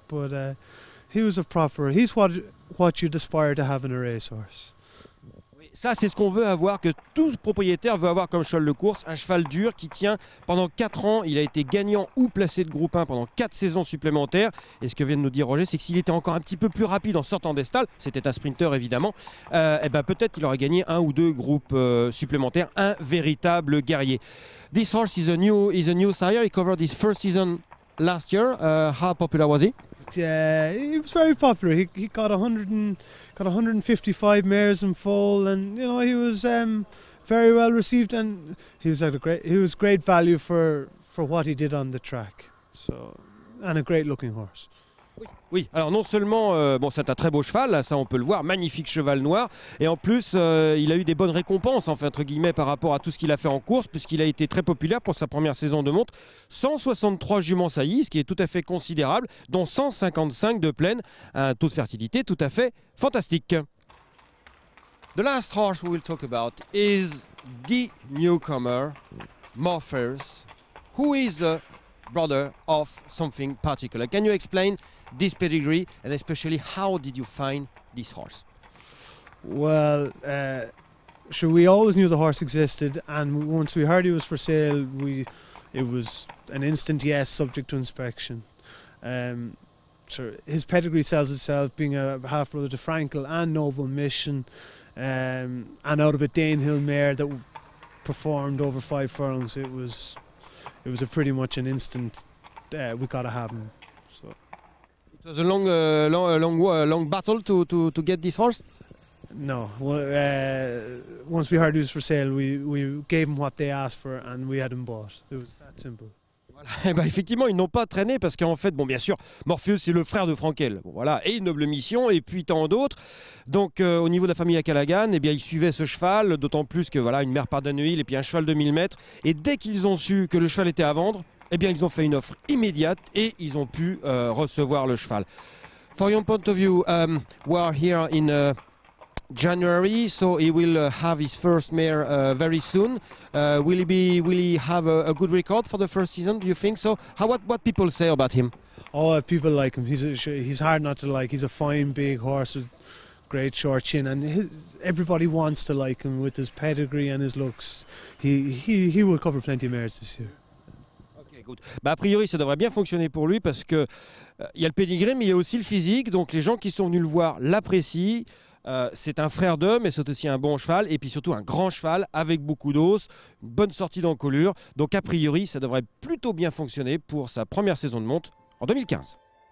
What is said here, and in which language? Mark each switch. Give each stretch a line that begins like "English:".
English: But he's what you'd aspire to have in a racehorse.
French: Ça, c'est ce qu'on veut avoir, que tout propriétaire veut avoir comme cheval de course, un cheval dur qui tient pendant 4 ans. Il a été gagnant ou placé de groupe 1 pendant 4 saisons supplémentaires. Et ce que vient de nous dire Roger, c'est que s'il était encore un petit peu plus rapide en sortant des stalles, c'était un sprinter évidemment, peut-être qu'il aurait gagné un ou deux groupes supplémentaires, un véritable guerrier.
English: This horse is a new sire. He covered his first season last year. How popular was he? Yeah, he was very popular. He got 155 mares in foal, and you know, he was very well received, and he was great value for what he did on the track. So, and a great looking horse.
French: Oui, alors non seulement c'est un très beau cheval, ça on peut le voir, magnifique cheval noir, et en plus il a eu des bonnes récompenses, enfin, entre guillemets, par rapport à tout ce qu'il a fait en course, puisqu'il a été très populaire pour sa première saison de montre. 163 juments saillies, ce qui est tout à fait considérable, dont 155 de plaine, un taux de fertilité tout à fait fantastique.
English: The last horse we will talk about is the newcomer, Morpheus, who is a brother of something particular. Can you explain this pedigree, and especially how did you find this horse? Well, sure, we always knew the horse existed, and once we heard he was for sale, it was an instant yes, subject to inspection. Sure, his pedigree sells itself, being a half brother to Frankel and Noble Mission, and out of a Dane Hill mare that performed over 5 furlongs, it was a pretty much an instant. We gotta have him. So. It was a long battle to get this horse. No, once we heard he was for sale, we gave him what they asked for, and we had him bought. It was that simple.
French: Et bah effectivement, ils n'ont pas traîné parce qu'en fait, bon, bien sûr, Morpheus, c'est le frère de Frankel. Bon, voilà, et Noble Mission, et puis tant d'autres. Donc, au niveau de la famille Callaghan, eh bien, ils suivaient ce cheval, d'autant plus que voilà, une mère part d'Anneuil et puis un cheval de 1000 mètres. Et dès qu'ils ont su que le cheval était à vendre, eh bien, ils ont fait une offre immédiate et ils ont pu recevoir le cheval.
English: For your point of view, we are here in January, so he will have his first mare very soon. Will he have a good record for the first season? Do you think so? What people say about him? Oh, people like him. He's hard not to like. He's a fine big horse with great short chin, and everybody wants to like him with his pedigree and his looks. He will cover plenty of mares this year.
French: Bah a priori, ça devrait bien fonctionner pour lui parce que il y a le pedigree, mais il y a aussi le physique. Donc les gens qui sont venus le voir l'apprécient. C'est un frère d'eux, mais c'est aussi un bon cheval, et puis surtout un grand cheval avec beaucoup d'os, une bonne sortie d'encolure. Donc a priori, ça devrait plutôt bien fonctionner pour sa première saison de monte en 2015.